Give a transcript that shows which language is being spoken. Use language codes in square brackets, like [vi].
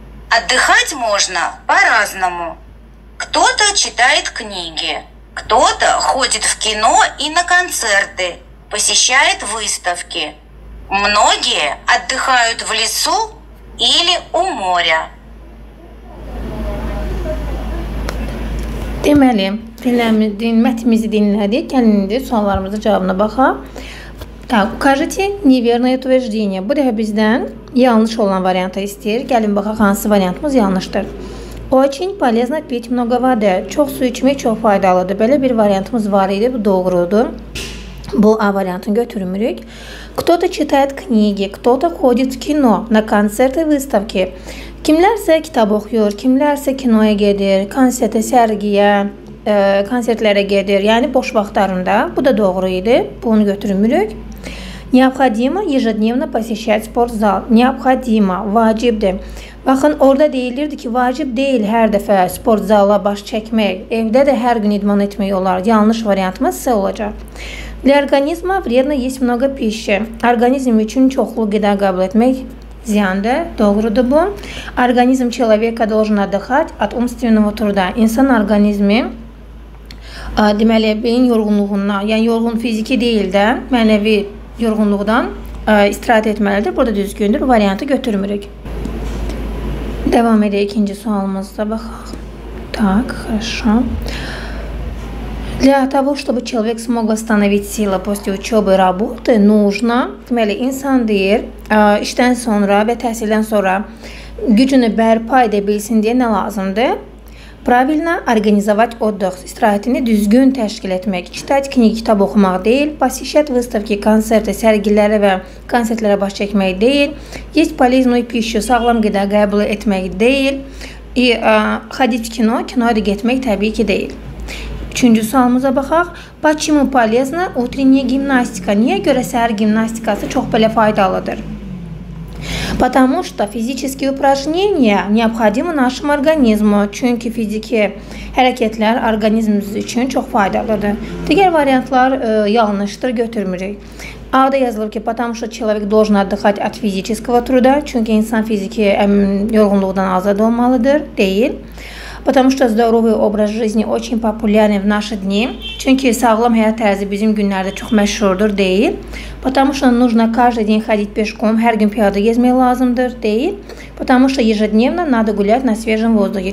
[ru] Отдыхать можно по-разному. Кто-то читает книги, кто-то ходит в кино и на концерты, посещает выставки. Многие отдыхают в лесу или у моря. [az] Deməli, mətnimizi dinlədik. Gəlin indi suallarımızın cavabına baxaq. [ru] Так, укажите неверное утверждение. [az] Bu dəfə bizdən yanlış olan variantı istəyir. Gəlin baxaq, hansı variantımız yanlışdır. [ru] Очень полезно пить много воды. [az] Çox su içmək çox faydalıdır. Belə bir variantımız var idi, bu doğrudur. Bu A variantını götürmürük. [ru] Кто-то читает книги, кто-то ходит в кино, на концерты, выставки. [az] Kimlərsə kitab oxuyur, kimlərsə kinoya gedir, konsertə, sərgiyə, konsertlərə gedir. Yəni, boş vaxtlarında. Bu da doğru idi. Bunu götürmürük. [ru] Необходимо ежедневно посещать спортзал. [az] Необходимо, vacibdir. Baxın, orada deyilirdi ki, vacib deyil hər dəfə sportzala baş çəkmək. Evdə də hər gün idman etmək olar. Yanlış variantımız sizə olacaq. [ru] Для организма вредно есть много пищи. [az] Организм üçün çoxlu qida qəbul etmək ziyandır. Doğrudur bu. [ru] Organizm человека должен отдыхать от умственного труда. [az] İnsan orqanizmi, deməli, beyin yorğunluğundan, yəni yorğun fiziki deyil də, mənəvi yorğunluqdan istirahat etməlidir. Burada düzgündür. Variantı götürmürük. Devam edək ikinci sualımızda. Baxaq. [ru] Tak, хорошо. Для того, чтобы человек смог восстановить силы после учебы и работы, нужно, [az] deməli, insan deyir, işdən sonra və təhsildən sonra gücünü bərpa edə bilsin deyə nə lazımdır? [ru] Правильно организовать отдых, [az] istirahatini düzgün təşkil etmək, [ru] читать книги, [az] kitab oxumaq deyil, [ru] посещать выставки, концерты, [az] sərgilərə və konsertlərə baş çəkmək deyil, [ru] есть полезную пищу, [az] sağlam qida qəbul etmək deyil, [ru] и ходить в кино, [az] киноя getmək təbii ki deyil. Üçüncü sualımıza baxaq. [ru] Почему полезна утренняя гимнастика? [az] Niyə görə səhər gimnastikası çox belə faydalıdır? [ru] Потому что физические упражнения необходимы нашему организму. [az] Çünki fiziki hərəkətlər orqanizmimiz üçün çox faydalıdır. Digər variantlar yanlışdır, götürmürük. A-da yazılır ki, [ru] потому что человек должен отдыхать от физического труда. [az] Çünki insan fiziki yorğunluqdan azad olmalıdır, deyil. [ru] Потому что здоровый образ жизни очень популярен в наши дни. [az] Çünki sağlam həyat tərzi bizim günlərdə çox məşhurdur, deyil. [ru] Потому что нужно каждый день ходить пешком, [az] hər gün piyada gezmək lazımdır, deyil. [ru] Потому что ежедневно надо гулять на свежем воздухе.